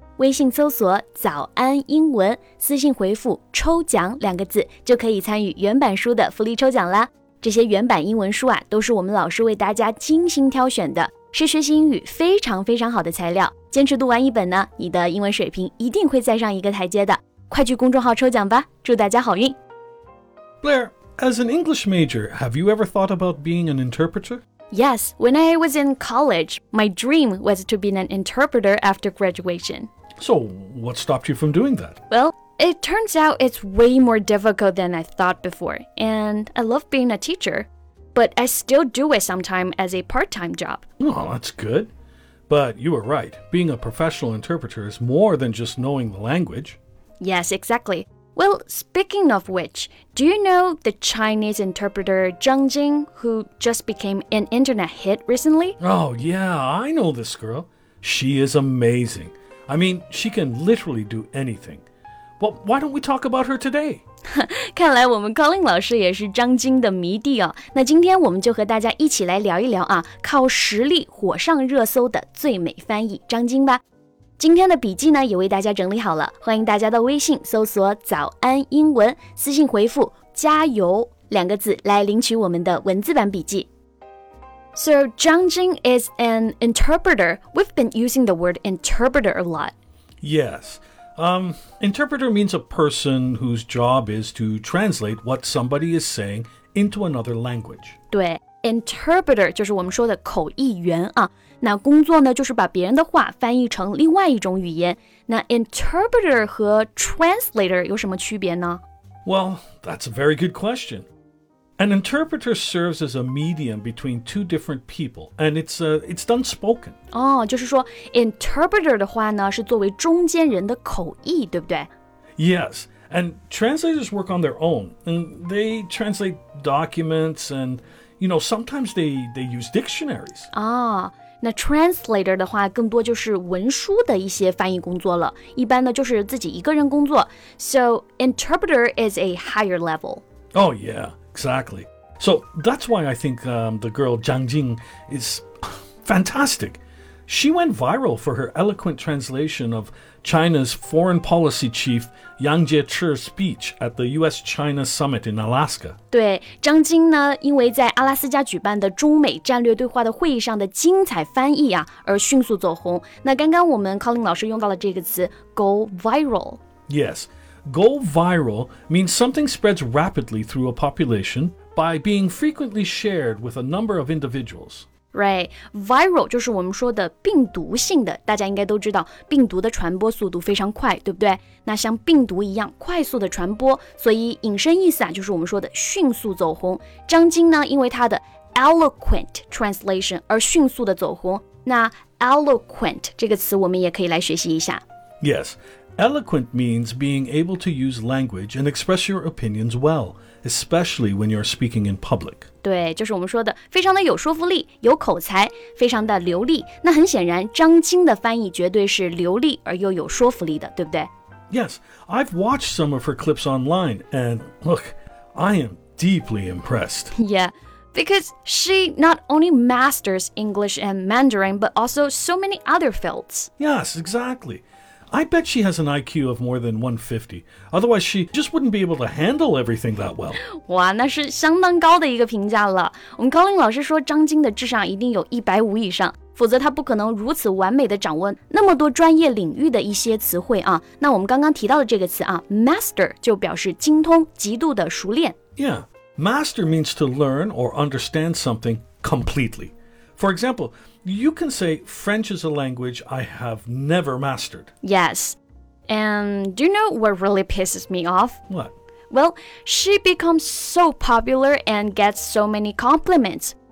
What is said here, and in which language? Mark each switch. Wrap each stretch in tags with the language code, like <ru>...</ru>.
<zh>微信搜索早安英文，私信回复抽奖两个字，就可以参与原版书的福利抽奖啦。这些原版英文书啊，都是我们老师为大家精心挑选的，是学习英语非常非常好的材料。坚持读完一本呢，你的英文水平一定会再上一个台阶的。快去公众号抽奖吧，祝大家好运。</zh> <en>Blair, as an English major, have you ever thought about being an interpreter? Yes, when I was in college, my dream was to be an interpreter after graduation. So, what stopped you from doing that? Well, it turns out it's way more difficult than I thought before, and I love being a teacher, but I still do it sometimes as a part-time job. Well, that's good. But you were right, being a professional interpreter is more than just knowing the language. Yes, exactly. Well, speaking of which, do you know the Chinese interpreter Zhang Jing, who just became an internet hit recently? Oh, yeah, I know this girl. She is amazing. I mean, she can literally do anything. Well, why don't we talk about her today?</en> <zh>看来我们 Colin 老师也是张晶的迷弟哦。那今天我们就和大家一起来聊一聊啊，靠实力火上热搜的最美翻译张晶吧。今天的笔记呢也为大家整理好了，欢迎大家到微信搜索早安英文，私信回复加油两个字来领取我们的文字版笔记。</zh> <en>So Zhang Jing is an interpreter. We've been using the word interpreter a lot. Yes. Interpreter means a person whose job is to translate what somebody is saying into another language.</en> <zh>对。 Interpreter 就是我们说的口译员啊，那工作呢就是把别人的话翻译成另外一种语言。那 interpreter 和 translator 有什么区别呢？</zh> <en>Well, that's a very good question. An interpreter serves as a medium between two different people, and it's done spoken.</en> <zh>哦，就是说 interpreter 的话呢是作为中间人的口译，对不对？</zh> <en>Yes. And translators work on their own, and they translate documents and, you know, sometimes they use dictionaries.</en> <zh>Ah, 那 translator 的话更多就是文书的一些翻译工作了，一般呢就是自己一个人工作。</zh> <en>So, interpreter is a higher level. Oh, yeah, exactly. So, that's why I think the girl Zhang Jing is fantastic. She went viral for her eloquent translation of China's foreign policy chief Yang Jiechi's speech at the U.S.-China summit in Alaska.</en> <zh>对，张晶呢，因为在阿拉斯加举办的中美战略对话的会议上的精彩翻译啊，而迅速走红。那刚刚我们 Colin 老师用到了这个词 ，go viral.</zh> <en>Yes, go viral means something spreads rapidly through a population by being frequently shared with a number of individuals.</en> <zh>Right, viral 就是我们说的病毒性的，大家应该都知道病毒的传播速度非常快，对不对？那像病毒一样快速的传播，所以引申意思啊，就是我们说的迅速走红。张晶呢，因为她的</zh> <en>eloquent translation</en> <zh>而迅速的走红。那 eloquent 这个词我们也可以来学习一下。</zh> <en>Yes, eloquent means being able to use language and express your opinions well. Especially when you're speaking in public.</en> <zh>对，就是我们说的非常的有说服力，有口才，非常的流利。那很显然，张晶的翻译绝对是流利而又有说服力的，对不对？</zh> <en>Yes, I've watched some of her clips online, and look, I am deeply impressed. Yeah, because she not only masters English and Mandarin, but also so many other fields. Yes, exactly. I bet she has an IQ of more than 150. Otherwise, she just wouldn't be able to handle everything that well.</en> <zh>哇，那是相当高的一个评价了。我们 Colin 老师说张晶的智商一定有150以上，否则她不可能如此完美的掌握那么多专业领域的一些词汇啊。那我们刚刚提到的这个词啊 ,master 就表示精通，极度的熟练。</zh> <en>Yeah, master means to learn or understand something completely. For example,You can say, French is a language I have never mastered. Yes. And do you know what really pisses me off? What? Well, she becomes so popular and gets so many compliments.</en>